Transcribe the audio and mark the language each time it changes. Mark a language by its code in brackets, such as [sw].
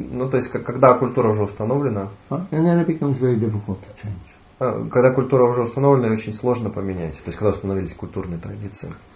[ru] Ну то есть когда культура уже установлена. [en] And then it becomes very difficult to change. [ru] Когда культура уже установлена, очень сложно поменять. То есть когда установились культурные традиции.